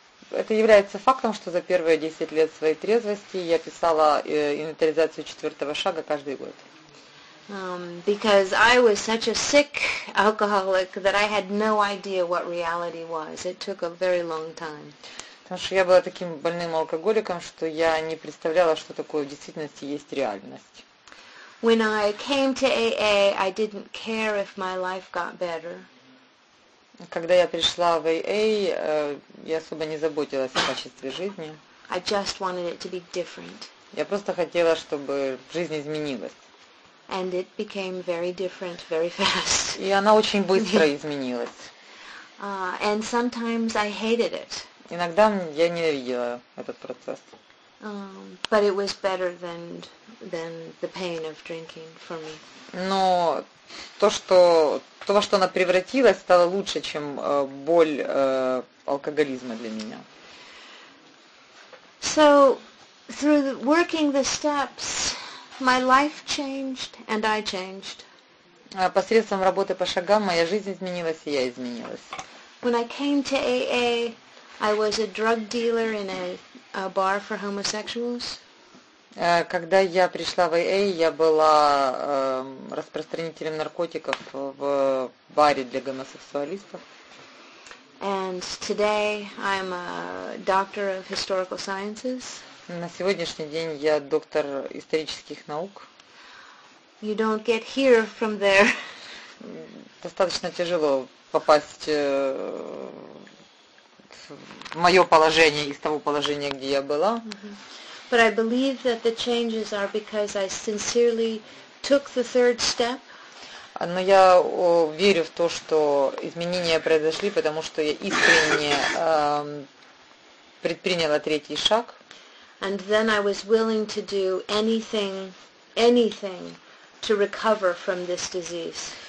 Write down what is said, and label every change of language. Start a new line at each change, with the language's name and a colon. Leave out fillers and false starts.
Russian: Это является фактом, что за первые 10 лет своей трезвости я писала инвентаризацию четвертого шага каждый год.
English: Because I was such a sick alcoholic that I had no idea what reality was. It took a very long time.
Russian: Потому что я была таким больным алкоголиком, что я не представляла, что такое в действительности есть реальность.
English: When I came to AA, I didn't care if my life got better.
Russian: Когда я пришла в AA, я особо не заботилась о качестве жизни.
English: I just wanted it to be different.
Russian: Я просто хотела, чтобы жизнь изменилась.
English: And it became very different very fast.
Russian: И она очень быстро изменилась.
English: And sometimes I hated it.
Russian: Иногда я ненавидела этот процесс.
English: But it was better than the pain of drinking for me.
Russian: Но то, во что она превратилась, стало лучше, чем боль алкоголизма для меня.
English: So through working the steps, my life changed and I changed.
Russian: Посредством работы по шагам моя жизнь изменилась и я изменилась.
English: When I came to AA, I was a drug dealer in a bar for homosexuals.
Russian: Когда я пришла в AA, я была распространителем наркотиков в баре для гомосексуалистов.
English: And today I'm a doctor of historical sciences.
Russian: На сегодняшний день я доктор исторических наук.
English: You don't get here from there.
Russian: Достаточно тяжело попасть в мое положение из того положения, где я была.
English: But I believe that the changes are because I sincerely took the third step.
Russian: Но я верю в то, что изменения произошли, потому что я искренне предприняла третий шаг.
English: And then I was willing to do anything to recover from this disease.